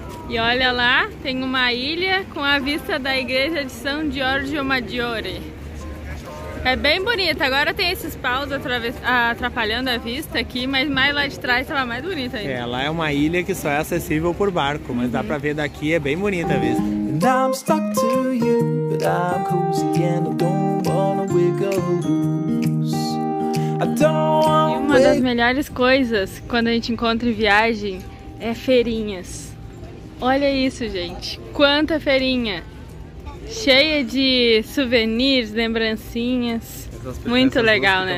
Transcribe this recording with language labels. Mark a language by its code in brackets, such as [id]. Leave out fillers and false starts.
[pt] E olha lá, tem uma ilha com a vista da igreja de São Giorgio Maggiore. É bem bonita. Agora tem esses paus atrapalhando a vista aqui, mas mais lá de trás tava mais bonita ainda. É, lá é uma ilha que só é acessível por barco, mas dá pra ver daqui, é bem bonita a vista. [en] And I'm stuck to you, but I'm cozy and I don't wanna wiggle loose. [pt] E uma das melhores coisas quando a gente encontra em viagem é feirinhas. Olha isso, gente. Quanta feirinha. Cheia de souvenirs, lembrancinhas. Muito legal, né?